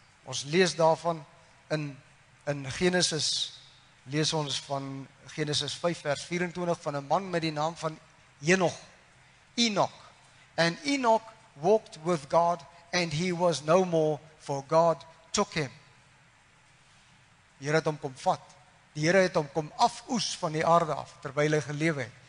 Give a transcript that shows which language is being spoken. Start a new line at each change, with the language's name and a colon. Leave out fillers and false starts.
Afrikaans: Ons lees daarvan in Genesis, lees ons van Genesis 5 vers 24 van 'n man met die naam van Enoch.
English: "And Enoch walked with God, and he was no more, for God took him."
Afrikaans: Die Here het hom kom vat. Die Here het hom kom afoes van die aarde af, terwyl hy gelewe het.